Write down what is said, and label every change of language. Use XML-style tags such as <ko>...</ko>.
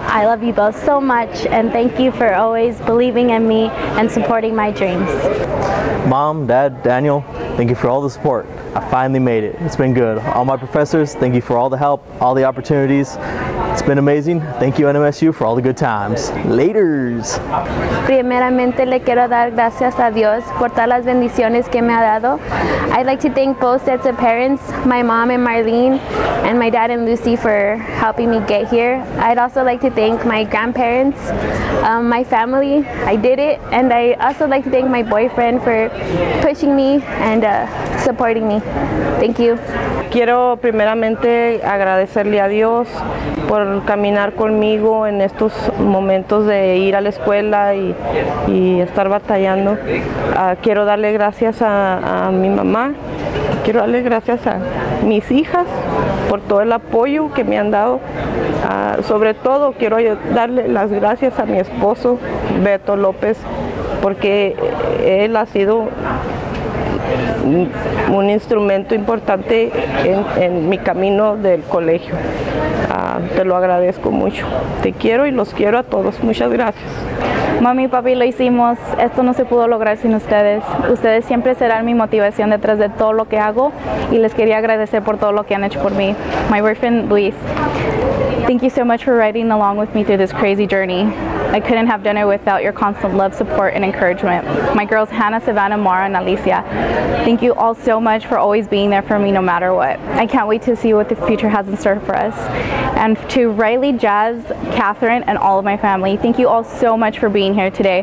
<en>I love you both so much, and thank you for always believing in me and supporting my dreams. Mom, Dad, Daniel, thank you for all the support. I finally made it. It's been good. All my professors, thank you for all the help, all the opportunities. It's been amazing. Thank you, NMSU, for all the good times. Laters!</en> <es>Primeramente, le quiero dar gracias a Dios por todas las bendiciones que me ha dado.</es> <en>I'd like to thank both sets of parents, my mom and Marlene, and my dad and Lucy for helping me get here. I'd also like to thank my grandparents, my family. I did it. And I also like to thank my boyfriend for pushing me and supporting me. Thank you.</en> <es>Quiero primeramente agradecerle a Dios por caminar conmigo en estos momentos de ir a la escuela y estar batallando. Quiero darle gracias a mi mamá Quiero darle gracias a mis hijas por todo el apoyo que me han dado. Sobre todo quiero darle las gracias a mi esposo, Beto López, porque él ha sido un instrumento importante en mi camino del colegio. Te lo agradezco mucho. Te quiero y los quiero a todos. Muchas gracias. Mami y papi, lo hicimos. Esto no se pudo lograr sin ustedes. Ustedes siempre serán mi motivación detrás de todo lo que hago y les quería agradecer por todo lo que han hecho por mí.</es> <en>My boyfriend, Luis. Thank you so much for riding along with me through this crazy journey. I couldn't have done it without your constant love, support, and encouragement. My girls, Hannah, Savannah, Mara, and Alicia. Thank you all so much for always being there for me no matter what. I can't wait to see what the future has in store for us. And to Riley, Jazz, Catherine, and all of my family, thank you all so much for being here today.</en>